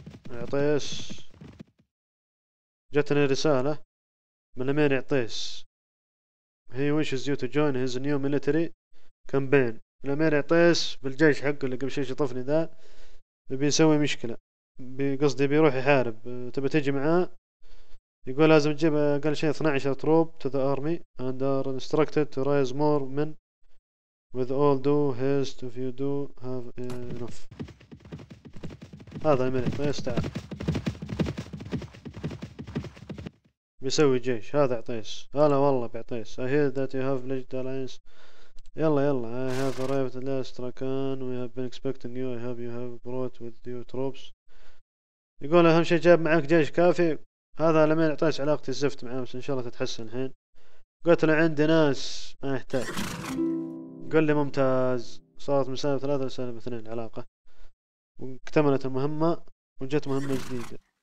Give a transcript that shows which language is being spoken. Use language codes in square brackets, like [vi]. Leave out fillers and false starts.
[ar] عطيس جتني رسالة من الامير عطيس، هي [en] wishes you to join his new military campaign. [ar] الامير عطيس بالجيش حقه اللي قبل شي شطفني ذا بيسوي مشكلة، بقصدي بيروح يحارب، تبي تجي معاه؟ يقول لازم تجيب اقل شيء 12 تروب [en] to the army and are instructed to raise more men with all due haste if you do have enough. [ar] هذا الملك ما يستعب بيسوي جيش، هذا عطيس. هلا والله بعطيس. [en] I hear that you have pledged alliance. [ar] يلا يلا. [en] I have arrived at Astrakhan. We have been expecting you. I hope you have brought with you troops. [ar] يقول اهم شيء جاب معك جيش كافي. هذا لمين عطاش علاقتي الزفت معاه، بس ان شاء الله تتحسن الحين. قلت له عندي ناس ما يحتاج. قال لي ممتاز. صارت من سالفة 3 لسالفة 2 العلاقة، واكتملت المهمة وجت مهمة جديدة.